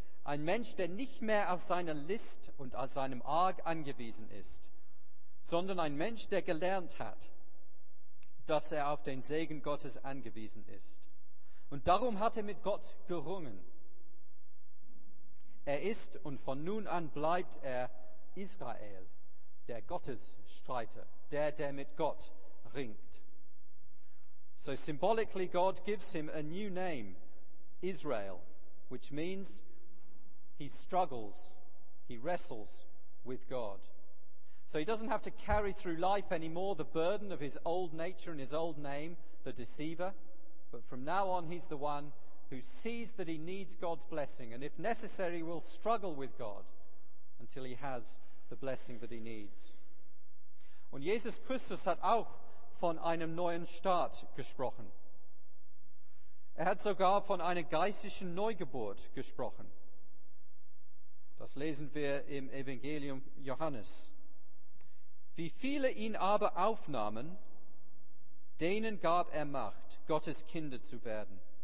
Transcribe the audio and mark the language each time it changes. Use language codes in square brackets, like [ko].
[de] Ein Mensch, der nicht mehr auf seine List und auf seinem Arg angewiesen ist, sondern ein Mensch, der gelernt hat, dass er auf den Segen Gottes angewiesen ist. Und darum hat er mit Gott gerungen. Er ist und von nun an bleibt er Israel, der Gottesstreiter, der mit Gott ringt. [en] So symbolically, God gives him a new name, Israel, which means he struggles, he wrestles with God. So he doesn't have to carry through life anymore the burden of his old nature and his old name, the deceiver. But from now on, he's the one who sees that he needs God's blessing and if necessary, will struggle with God until he has the blessing that he needs. [de] Und Jesus Christus hat auch von einem neuen Start gesprochen. Er hat sogar von einer geistlichen Neugeburt gesprochen. Das lesen wir im Evangelium Johannes. Wie viele ihn aber aufnahmen, denen gab er Macht, Gottes Kinder zu werden.